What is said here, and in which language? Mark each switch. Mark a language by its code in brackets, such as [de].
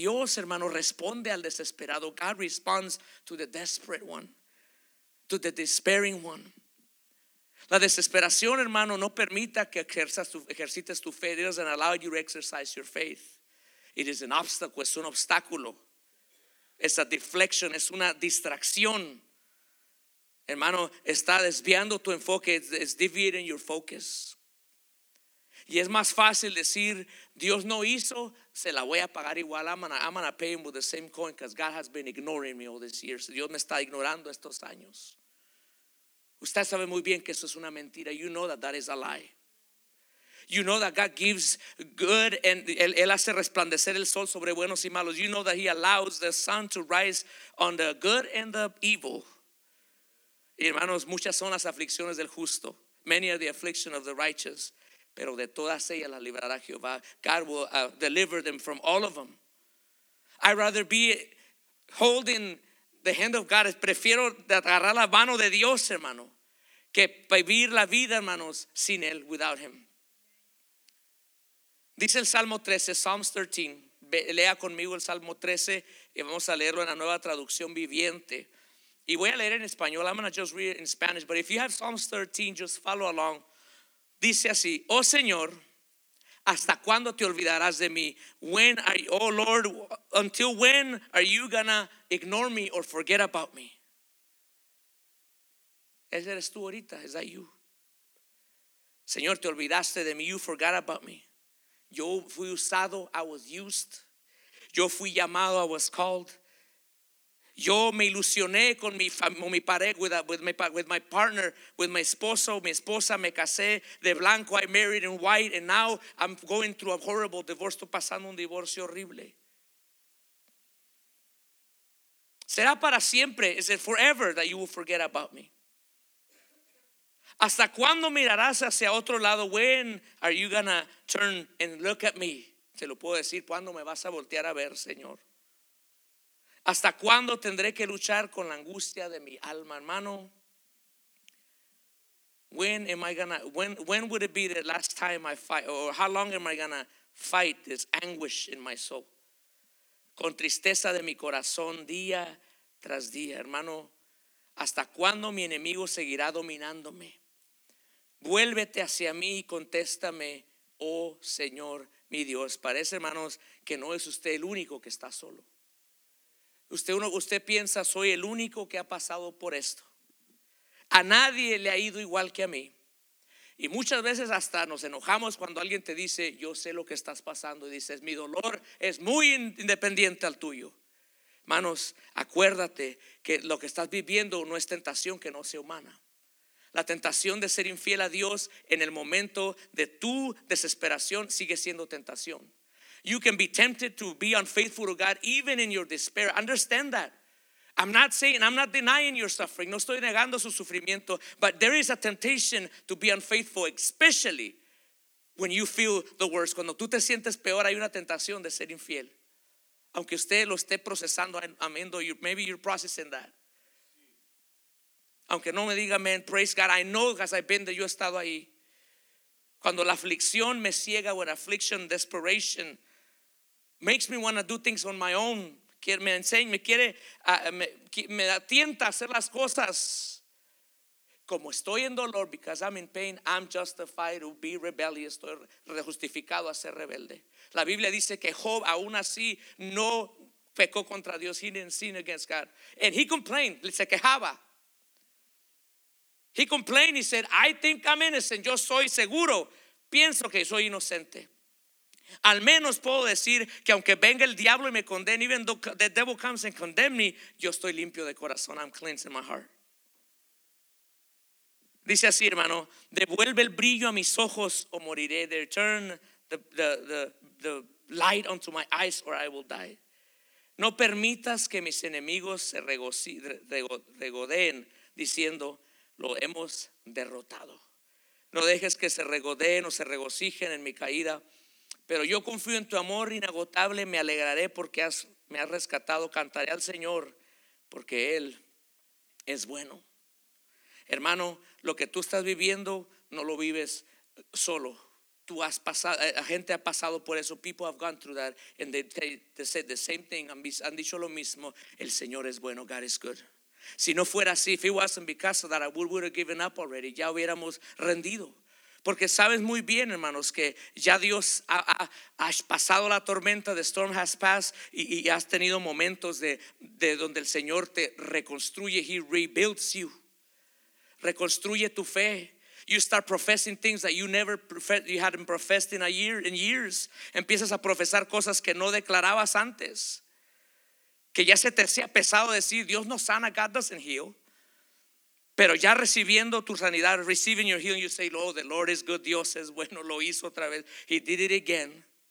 [es] Dios, hermano, responde al desesperado. [en] God responds to the desperate one, to the despairing one. [es] La desesperación, hermano, no permita que ejercites tu fe. [en] It doesn't allow you to exercise your faith. It is an obstacle, [es] es un obstáculo. [en] It's a deflection, [es] es una distracción. Hermano, está desviando tu enfoque. [en] It's deviating your focus. [es] Y es más fácil decir, Dios no hizo, se la voy a pagar igual. [en] I'm gonna pay him with the same coin because God has been ignoring me all these years. [es] Dios me está ignorando estos años. Usted sabe muy bien que eso es una mentira. [en] You know that that is a lie. You know that God gives good and [es] él hace resplandecer el sol sobre buenos y malos. [en] You know that he allows the sun to rise on the good and the evil. [es] Y hermanos, muchas son las aflicciones del justo. [en] Many are the affliction of the righteous. [es] Pero de todas ellas las librará Jehová. [en] God will deliver them from all of them. I'd rather be holding the hand of God. [es] Prefiero agarrar la mano de Dios, hermano, que vivir la vida, hermanos, sin Él, [en] without Him. [es] Dice el Salmo 13, Psalms 13. Lea conmigo el Salmo 13 y vamos a leerlo en la Nueva Traducción Viviente. Y voy a leer en español. [en] I'm going to just read it in Spanish. But if you have Psalms 13, just follow along. [es] Dice así, oh Señor, ¿hasta cuándo te olvidarás de mí? [en] When are you, oh Lord, until when are you gonna ignore me or forget about me? [es] Ese eres tú ahorita, [en] is that you? [es] Señor, te olvidaste de mí, [en] you forgot about me. [es] Yo fui usado, [en] I was used. [es] Yo fui llamado, [en] I was called. [es] Yo me ilusioné con mi pareja, [en] with my partner, with my [es] esposo, mi esposa, me casé de blanco, [en] I married in white, and now I'm going through a horrible divorce, [es] estoy pasando un divorcio horrible. ¿Será para siempre? [en] Is it forever that you will forget about me? [es] ¿Hasta cuándo mirarás hacia otro lado? [en] When are you gonna turn and look at me? [es] Se lo puedo decir, ¿cuándo me vas a voltear a ver, Señor? ¿Hasta cuándo tendré que luchar con la angustia de mi alma, hermano? [en] When would it be the last time I fight? Or how long am I gonna fight this anguish in my soul? [es] Con tristeza de mi corazón día tras día, hermano. ¿Hasta cuándo mi enemigo seguirá dominándome? Vuélvete hacia mí y contéstame, oh Señor, mi Dios. Parece, hermanos, que no es usted el único que está solo. Usted piensa, soy el único que ha pasado por esto. A nadie le ha ido igual que a mí. Y muchas veces hasta nos enojamos cuando alguien te dice, yo sé lo que estás pasando. Y dices, mi dolor es muy independiente al tuyo. Hermanos, acuérdate que lo que estás viviendo no es tentación que no sea humana. La tentación de ser infiel a Dios en el momento de tu desesperación sigue siendo tentación. [en] You can be tempted to be unfaithful to God even in your despair. Understand that. I'm not denying your suffering. [es] No estoy negando su sufrimiento. [en] But there is a temptation to be unfaithful, especially when you feel the worst. [es] Cuando tú te sientes peor, hay una tentación de ser infiel. Aunque usted lo esté procesando, [en] maybe you're processing that. [es] Aunque no me diga amén, [en] praise God, I know because I've been there, [es] yo he estado ahí. Cuando la aflicción me ciega, [en] when affliction, desperation, makes me want to do things on my own. [es] Me enseña, me tienta a hacer las cosas. Como estoy en dolor, [en] because I'm in pain, I'm justified to be rebellious. [es] Estoy justificado a ser rebelde. La Biblia dice que Job aún así no pecó contra Dios. [en] He didn't sin against God. And he complained, [es] se quejaba. [en] He complained, he said, I think I'm innocent. [es] Yo soy seguro, pienso que soy inocente. Al menos puedo decir que aunque venga el diablo y me condene, [en] even though the devil comes and condemn me, [es] yo estoy limpio de corazón. [en] I'm cleansing my heart. [es] Dice así, hermano, devuelve el brillo a mis ojos o moriré. [en] They turn the light onto my eyes or I will die. [es] No permitas que mis enemigos se regodeen diciendo, lo hemos derrotado. No dejes que se regodeen o se regocijen en mi caída. Pero yo confío en tu amor inagotable. Me alegraré porque me has rescatado. Cantaré al Señor porque Él es bueno. Hermano, lo que tú estás viviendo no lo vives solo. Tú has pasado, la gente ha pasado por eso. [en] People have gone through that and they said the same thing. [es] Han dicho lo mismo. El Señor es bueno. [en] God is good. [es] Si no fuera así, [en] if it wasn't because of that, I would have given up already. [es] Ya hubiéramos rendido. Porque sabes muy bien, hermanos, que ya Dios ha pasado la tormenta, [en] the storm has passed, [es] y has tenido momentos de donde el Señor te reconstruye. [en] He rebuilds you. [es] Reconstruye tu fe. [en] You start professing things that you hadn't professed in years. [es] Empiezas a profesar cosas que no declarabas antes. Que ya se te sea pesado decir, Dios no sana, [en] God doesn't heal. [es] Pero ya recibiendo tu sanidad, [en] receiving your healing, you say, oh, the Lord is good, [es] Dios es bueno, lo hizo otra vez. [en] He did it again.